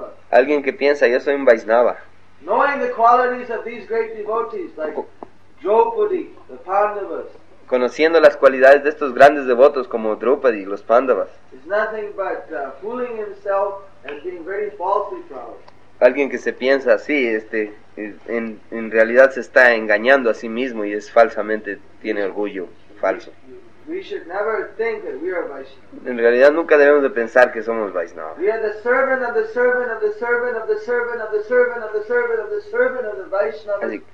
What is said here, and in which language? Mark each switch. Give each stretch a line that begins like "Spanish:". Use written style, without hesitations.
Spanish: Alguien que piensa, yo soy un Vaishnava.
English: Knowing the qualities of these great devotees, Draupadi, the Pandavas.
Spanish: Conociendo las cualidades de estos grandes devotos como Draupadi y los Pandavas.
English: It's nothing but fooling himself and being very falsely proud.
Spanish: Alguien que se piensa así, en realidad se está engañando a sí mismo y es falsamente, tiene orgullo falso.
English: We should never think that we are Vaishnava.
Spanish: En realidad nunca debemos de pensar que somos Vaishnava.
English: We are the servant of the servant of the servant of the servant of the servant of the servant of the servant of the Vaishnava.